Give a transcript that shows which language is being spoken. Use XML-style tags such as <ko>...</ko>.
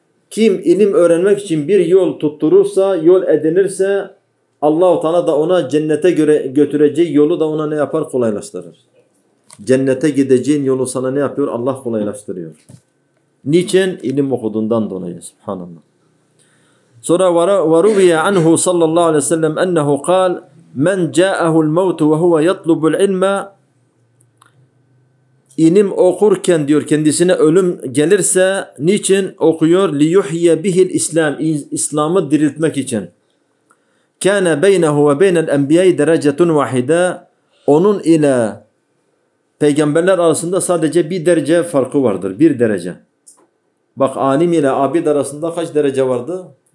<tr>Kim ilim öğrenmek için bir yol tutturursa, yol edinirse Allah-u Teala da ona cennete göre götüreceği yolu da ona ne yapar? Kolaylaştırır. Cennete gideceğin yolu sana ne yapıyor? Allah kolaylaştırıyor. Niçin? İlim okuduğundan dolayı. Subhanallah. Sonra</tr> <ar>وَرُوِيَ عَنْهُ صَلَّى اللّٰهُ عَلَيْهِ وَسَلَّمْ اَنَّهُ قَالْ مَنْ جَاءَهُ الْمَوْتُ وَهُوَ يَطْلُبُ الْعِلْمَ</ar> <tr>İlim okurken diyor kendisine ölüm gelirse niçin okuyor?</tr> <ar>لِيُحْيَ بِهِ الْاِسْلَامِ</ar> <tr>İslam'ı diriltmek için.</tr> <ar>كَانَ بَيْنَهُ وَبَيْنَ الْاَنْبِيَاءِ دَرَجَةٌ وَحِدًا</ar> <tr>Onun ile peygamberler arasında sadece bir derece farkı vardır. Bir derece. Bak alim ile abid arasında kaç derece vardı?</tr>